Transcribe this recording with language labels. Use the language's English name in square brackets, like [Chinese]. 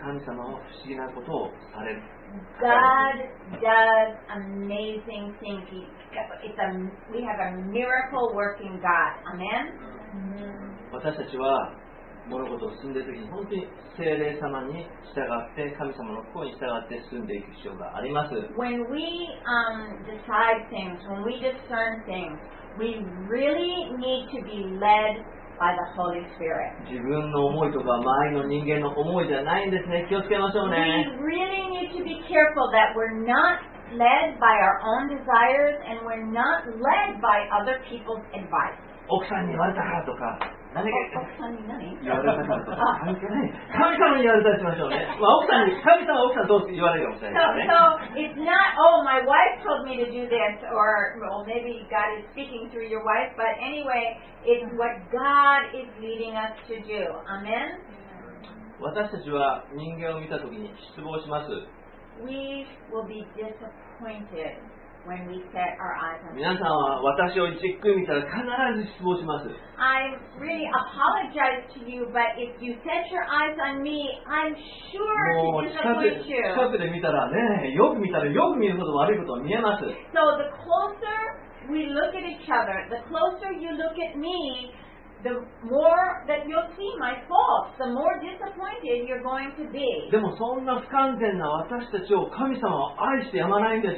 [Japanese] 神様は不思議なことをされる。 [English] God does amazing things. We have a miracle working God. Amen. [Japanese] 私たちは物事を進んでいくときに本当に聖霊様に従って神様の声に従って進んでいく必要があります。 [English] When we decide things, when we discern things, we really need to be led. By the Holy Spirit. [Japanese] 自分の思いとか周りの人間の思いじゃないんですね。気をつけましょうね。 [English] We really need to be careful that we're not led by our own desires and we're not led by other people's advice. [Japanese] 奥さんに言われたからとか、何か言われたからとか、関係ない。神様に言われたりしましょうね。まあ、奥さんに、神様は奥さんどうって言われるかもしれないね。 [English] So it's not, oh, my wife told me to do this, or well, maybe God is speaking through your wife, but anyway, it's what God is leading us to do. Amen? [Japanese] 私たちは人間を見たときに失望します。 [English] We will be disappointed. When we set our eyes on [Japanese] 皆さんは私をじっくり見たら必ず失望します。 [English] I really apologize to you, but if you set your eyes on me, I'm sure to disappoint you. [Japanese] 近くで見たらね、よく見たらよく見るほど悪いことは見えます。 [English] So the closer we look at each other, the closer you look at me, the more that you'll see my faults, the more disappointed you're going to be. [Japanese] でもそんな不完全な私たちを神様は愛してやまないんです。